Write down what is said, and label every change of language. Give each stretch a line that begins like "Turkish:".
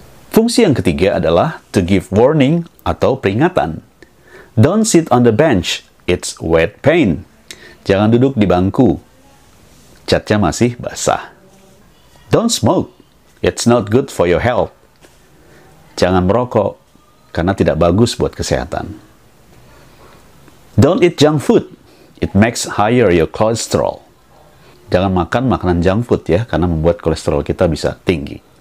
Indonesian: Fungsi yang ketiga adalah
English: to give warning
Indonesian: atau peringatan.
English: Don't sit on the bench, it's wet paint.
Indonesian: Jangan duduk di bangku, catnya masih basah.
English: Don't smoke, it's not good for your health.
Indonesian: Jangan merokok, karena tidak bagus buat kesehatan.
English: Don't eat junk food, it makes higher your cholesterol.
Indonesian: Jangan makan makanan junk food ya, karena membuat kolesterol kita bisa tinggi.